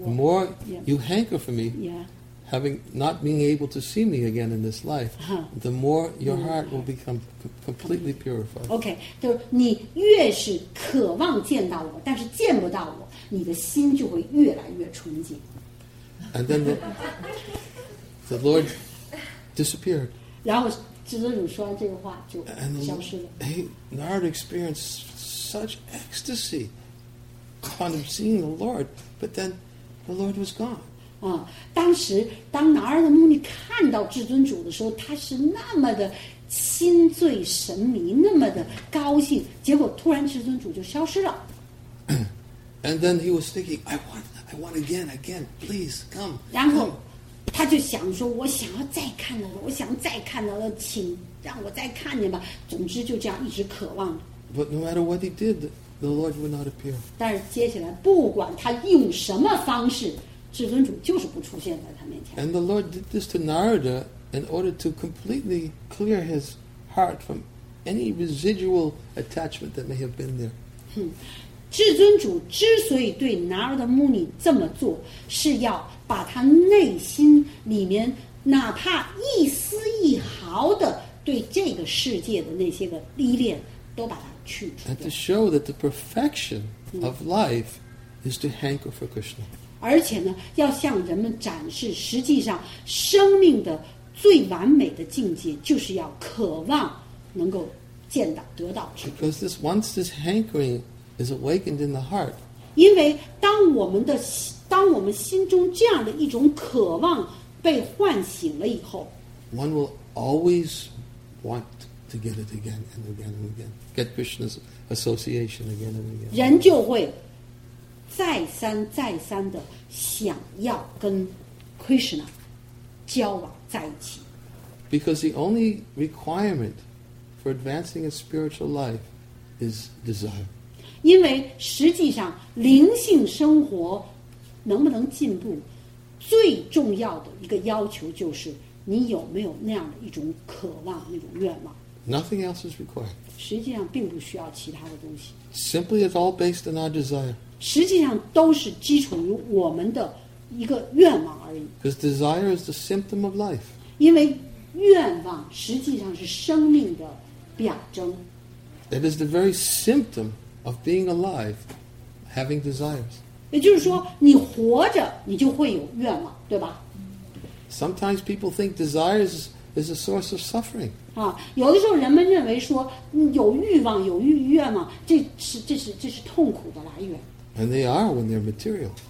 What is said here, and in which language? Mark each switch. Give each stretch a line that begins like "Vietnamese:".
English: the more、yeah. you hanker for me. Yeah. Having not being able to see me again in this life, the more your heart will become completely purified.
Chinese: Okay, 就是你越是渴望见到我，但是见不到我，你的心就会越来越纯净。
English: And then the Lord disappeared.
Chinese: 然后至尊主说完这个话就消失了。
English: And Narada experienced such ecstasy upon seeing the Lord, but then the Lord was gone.
Chinese: 当时当拿儿的穆尼看到至尊主的时候，他是那么的心醉神迷，那么的高兴，结果突然至尊主就消失了。
English: And then he was thinking, I want again, again, please come.
Chinese: 然后他就想说，我想要再看到了，我想再看到了，请让我再看见吧。总之就这样一直渴望。
English: But no matter what he did, the Lord would not appear.
Chinese: 但是接下来不管他用什么方式。至尊主就是不出现在他面前。
English: And the Lord did this to Narada in order to completely clear his heart from any residual attachment that may have been there.
Chinese: 至尊主之所以对 Narada Muni 这么做，是要把他内心里面哪怕一丝一毫的对这个世界的那些个依恋都把它去除掉。
English: And to show that the perfection of life is to hanker for Krishna.
Chinese: 而且呢，要向人们展示，实际上生命的最完美的境界，就是要渴望能够见到、得到。
English: Because this once this hankering is awakened in the heart，
Chinese: 因为当我们心中这样的一种渴望被唤醒了以后
English: ，one will always want to get it again and again and again, get Krishna's association again and again。
Chinese: 人就会。再三再三的想要跟 Krishna 交往在一起
English: ，because the only requirement for advancing a spiritual life is desire。
Chinese: 因为实际上灵性生活能不能进步，最重要的一个要求就是你有没有那样的一种渴望、一种愿望。
English: Nothing else is required。
Chinese: 实际上并不需要其他的东西。
English: Simply, it's all based on our desire。
Chinese: 实际上都是基础于我们的一个愿望而已。
English: Because desire is the symptom of life.
Chinese: 因为愿望实际上是生命的表征。
English: It is the very symptom of being alive, having desires.
Chinese: 也就是说，你活着，你就会有愿望，对吧
English: ？Sometimes people think desires is a source of suffering.
Chinese: 啊，有的时候人们认为说，有欲望、有欲愿嘛，这是痛苦的来源。
English: And they are when they're material.